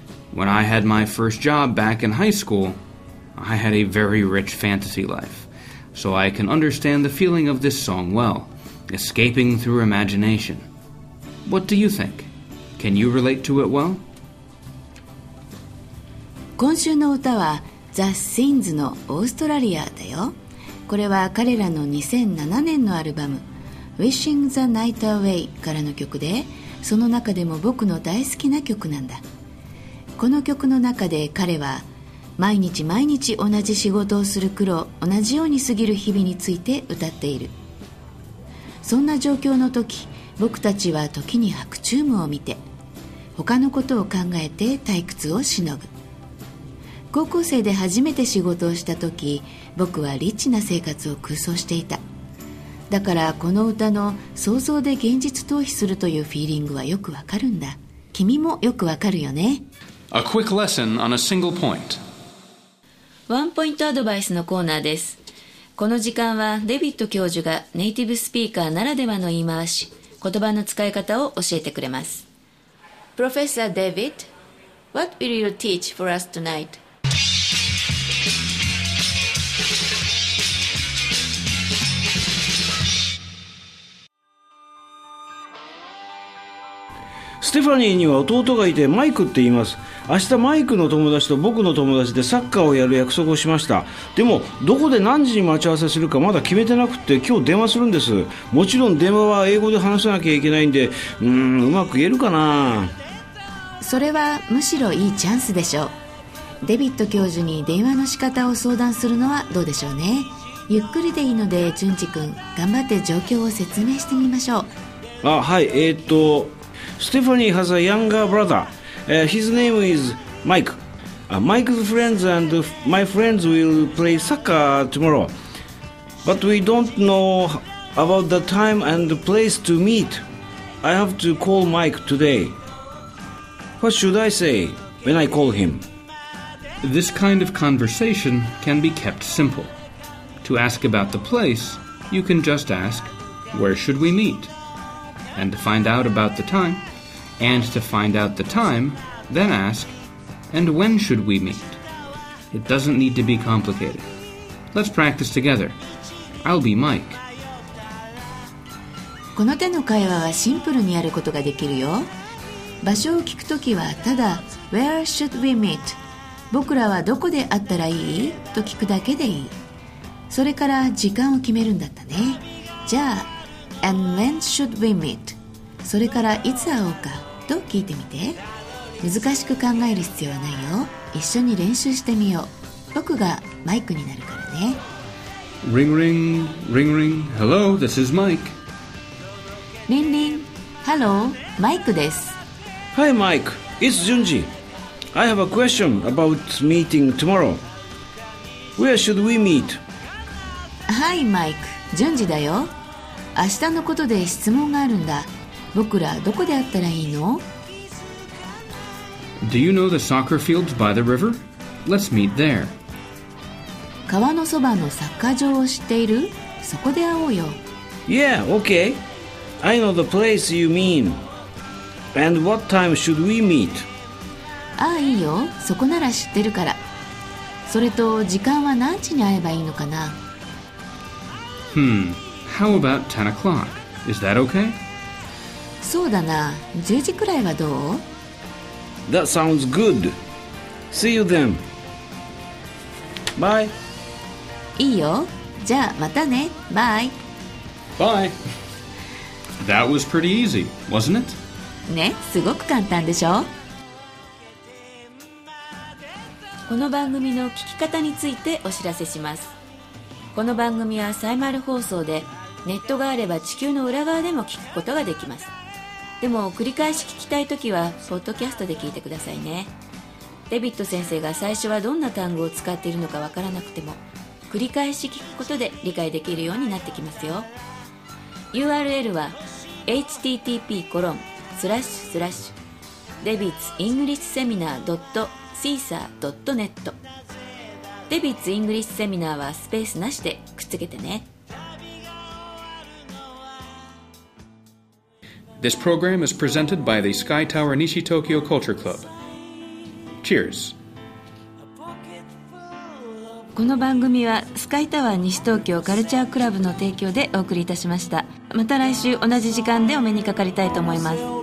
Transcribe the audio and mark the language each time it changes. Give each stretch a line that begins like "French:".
English: When I had my first job back in high school, I had a very rich fantasy life. So I can understand the feeling of this song well, escaping through imagination. What do you think? Can you relate to it well?
Japanese: 今週の歌は The Shins のオーストラリアだよ。これは彼らの2007年のアルバム Wishing the Night Away からの曲で、その中でも僕の大好きな曲なんだ。この曲の中で彼は毎日毎日同じ仕事をする苦労、同じように過ぎる日々について歌っている。そんな状況の時、僕たちは時に白昼夢を見て他のことを考えて退屈をしのぐ。高校生で初めて仕事をした時、僕はリッチな生活を空想していた。だからこの歌の想像で現実逃避するというフィーリングはよくわかるんだ。君もよくわかるよね。
English: A quick lesson on a single point.
Japanese: ワンポイントアドバイスのコーナーです。この時間はデビッド教授がネイティブスピーカーならではの言い回し、言葉の使い方を教えてくれます。
English: Professor David, what will you teach for us tonight?
Japanese: ステファニーには弟がいてマイクって言います。明日マイクの友達と僕の友達でサッカーをやる約束をしました。でもどこで何時に待ち合わせするかまだ決めてなくて、今日電話するんです。もちろん電話は英語で話さなきゃいけないんで、うーん、うまく言えるかな。それはむしろいいチャンスでしょう。デビッド教授に電話の仕方を相談するのはどうでしょうね。ゆっくりでいいので、淳二君、頑張って状況を説明してみましょう。あ、はい、
English: ステファニー has a younger brotherhis name is Mike. Mike's friends and my friends will play soccer tomorrow. But we don't know about the time and the place to meet. I have to call Mike today. What should I say when I call him? This kind of conversation can be kept simple. To ask about the place, you can just ask, where should we meet? And to find out about the time,And to find out the time, then ask, and when should we meet? It doesn't need to be complicated. Let's practice together. I'll be Mike.
Japanese: この手の会話はシンプルにやることができるよ。場所を聞くときはただ、
English: Where should we meet?
Japanese: 僕らはどこで会ったらいい?と聞くだけでいい。それから時間を決めるんだったね。じゃあ、
English: And when should we meet?
Japanese: それからいつ会おうかと聞いてみて。難しく考える必要はないよ。一緒に練習してみよう。僕がマイクになるからね。
English: Ring ring, ring ring, hello, this is Mike. Ring ring, hello, Mike
Japanese: です。
English: Hi Mike, it's Junji. I have a question about meeting tomorrow. Where should we meet? Hi Mike, Junji
Japanese: だよ。明日のことで質問があるんだ。僕らどこで会ったらいいの?
English: Do you know the soccer fields by the river? Let's meet there.
Japanese: 川のそばのサッカー場を知っている? そこで会おうよ。
English: Yeah, okay. I know the place you mean. And what time should we meet?
Japanese: ああ、いいよ。そこなら知ってるから。それと時間は何時に会えばいいのかな?
English: How about 10 o'clock? Is that okay?
Japanese: そうだな、10時くらいはどう?
English: That sounds good. See you then. Bye.
Japanese: いいよ。じゃあまたね。
English: Bye. Bye. That was pretty easy, wasn't it?
Japanese: ね、すごく簡単でしょ? この番組の聞き方についてお知らせします。この番組はサイマル放送で、ネットがあれば地球の裏側でも聞くことができます。でも繰り返し聞きたいときはポッドキャストで聞いてくださいね。デビッド先生が最初はどんな単語を使っているのかわからなくても、繰り返し聞くことで理解できるようになってきますよ。 URL は http://debitsenglishseminar.caesar.net。デビッツイングリッシュセミナーはスペースなしでくっつけてね。
English: This program is presented by the Sky Tower Nishi Tokyo Culture Club. Cheers.
Japanese: この番組はスカイタワー西東京カルチャークラブの提供でお送りいたしました。また来週同じ時間でお目にかかりたいと思います。